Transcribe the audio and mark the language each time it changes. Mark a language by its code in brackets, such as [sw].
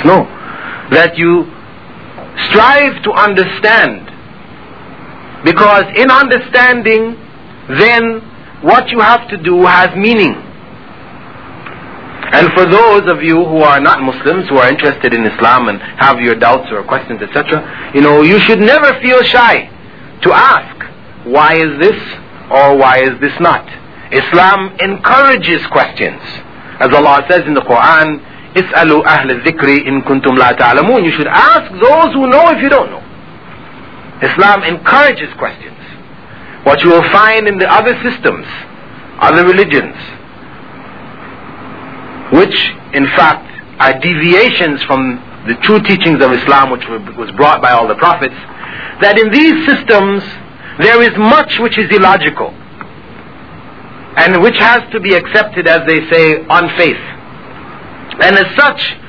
[en] No, that you strive to understand, because in understanding, then what you have to do has meaning. And for those of you who are not Muslims, who are interested in Islam and have your doubts or questions, etc., you know, you should never feel shy to ask, why is this or why is this not? Islam encourages questions. As Allah says in the Quran, [ar] اسألوا أهل الذكر إن كنتم لا تعلمون. [en] You should ask those who know if you don't know. Islam encourages questions. What you will find in the other systems, other religions, which in fact are deviations from the true teachings of Islam, which was brought by all the prophets, that in these systems there is much which is illogical and which has to be accepted, as they say, on faith. And as such,